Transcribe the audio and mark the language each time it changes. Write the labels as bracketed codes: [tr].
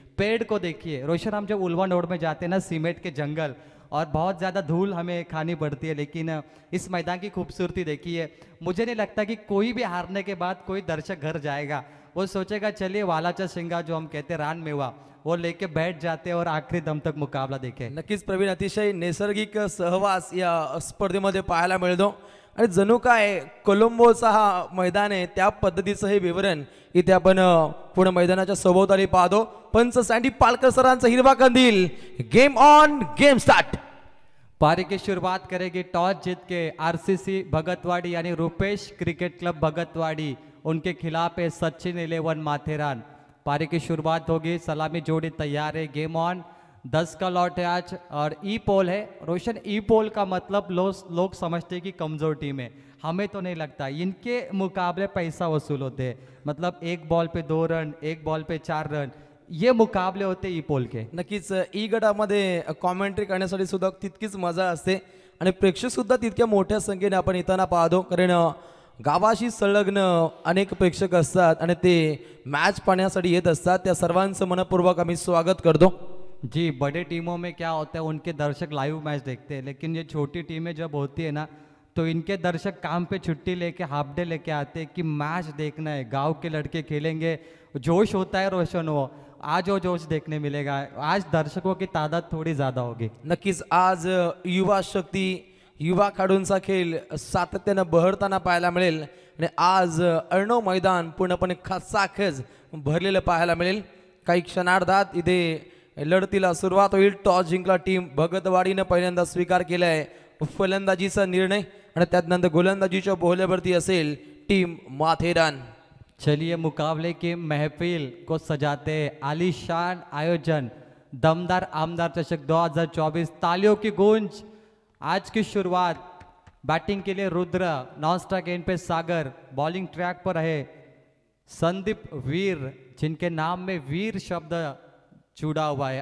[hi] पेड़ को देखिए रोशन, हम जब उलवन रोड में जाते हैं ना सीमेंट के जंगल और बहुत ज़्यादा धूल हमें खानी पड़ती है, लेकिन इस मैदान की खूबसूरती देखिए. मुझे नहीं लगता कि कोई भी हारने के बाद कोई दर्शक घर जाएगा, वो सोचेगा चलिए वालाचा सिंगा जो हम कहते हैं रान मेवा वो लेके बैठ जाते और आखिरी दम तक मुकाबला देखे. [mr] नक्कीच प्रवीण, अतिशय नैसर्गिक सहवास या स्पर्धेमध्ये पाहायला मिळतो आणि जणू काय कोलंबोचा हा मैदान आहे त्या पद्धतीचं हे विवरण इथे आपण पूर्ण मैदानाच्या सभोवताली पाहतो. पंच सँडी पालकर सरांचा हिरवा कंदील, गेम ऑन गेम स्टार्ट. [hi] पारी की शुरुआत करेगी टॉस जीत के आर सी सी भगतवाड़ी यानी रूपेश क्रिकेट क्लब भगतवाड़ी, उनके खिलाफ है सचिन इलेवन माथेरान. पारी की शुरुआत होगी, सलामी जोड़ी तैयार है, गेम ऑन. 10 का लॉट है आज और ई पोल है रोशन. ई पोल का मतलब लोग समझते हैं कि कमजोर टीम है, हमें तो नहीं लगता. इनके मुकाबले पैसा वसूल होते हैं, मतलब एक बॉल पे 2 रन, एक बॉल पे 4 रन, ये मुकाबले होते ई पोल के. [mr] नक्कीच ई गटामध्ये कॉमेंट्री करण्यासाठी सुद्धा तितकीच मजा असते आणि प्रेक्षक सुद्धा तितक्या मोठ्या संख्येने आपण येताना पाहतो, कारण गावाशी संलग्न अनेक प्रेक्षक असतात आणि ते मॅच पाहण्यासाठी येत असतात, त्या सर्वांचं मनपूर्वक आम्ही स्वागत करतो. [hi] जी बड़े टीमों में क्या होता है उनके दर्शक लाइव मैच देखते हैं, लेकिन ये छोटी टीमें जब होती है ना तो इनके दर्शक काम पे छुट्टी लेके हाफ डे लेके आते कि मैच देखना है, गांव के लड़के खेलेंगे, जोश होता है रोशन, वो आज वो जोश देखने मिलेगा, आज दर्शकों की तादाद थोड़ी ज्यादा होगी। [mr] नक्कीच आज युवा शक्ति युवा खेळाडूंचा खेल सातत्याने बहरताना पाहायला मिळेल। आज अर्णव मैदान पूर्णपणे खचाखच भरलेलं पाहायला मिळेल। काही क्षणार्धात इथे लढतीला सुरुवात होईल। टॉस जिंकला टीम भगतवाडीने पहिल्यांदा स्वीकार केला आहे फलंदाजीचा निर्णय, आणि त्यानंतर गोलंदाजीच्या बोहल्यावरती असेल टीम माथेरान। [hi] चलिए मुकाबले के महफिल को सजाते आलिशान आयोजन, दमदार आमदार चषक 2024, तालियों की गूंज। आज की शुरुआत बैटिंग के लिए रुद्र, नॉन स्ट्राइक एंड पे सागर, बॉलिंग ट्रैक पर है संदीप वीर, जिनके नाम में वीर शब्द जुड़ा हुआ है।